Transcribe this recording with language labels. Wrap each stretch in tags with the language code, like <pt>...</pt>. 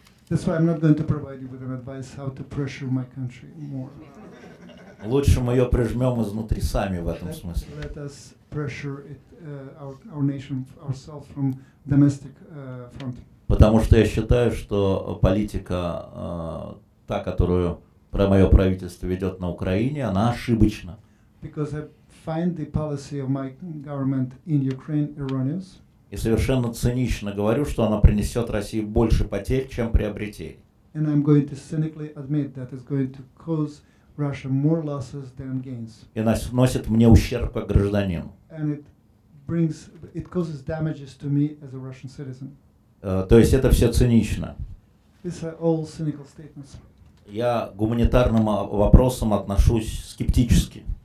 <en>That's why I'm not going to provide you with an advice how to pressure my country more.</en> <ru>Лучше мы ее прижмем изнутри сами в этом смысле.</ru> <en>Let us pressure it, our nation ourselves from domestic front.</en> <ru>Потому что я считаю, что политика та, которую мое правительство ведет на Украине, она ошибочна.</ru> <en>Because I find the policy of my government in Ukraine erroneous.</en> <ru>И совершенно цинично говорю, что она принесет России больше потерь, чем приобретений.</ru> <en>And I'm going to cynically admit that it's going to cause Russia more losses than gains.</en> <ru>И наносит мне ущерб как гражданину.</ru> <en>And it causes damages to me as a Russian citizen.</en> <ru>То есть это все цинично.</ru> <en>These are all cynical statements.</en> <ru>Я к гуманитарным вопросам отношусь скептически.</ru>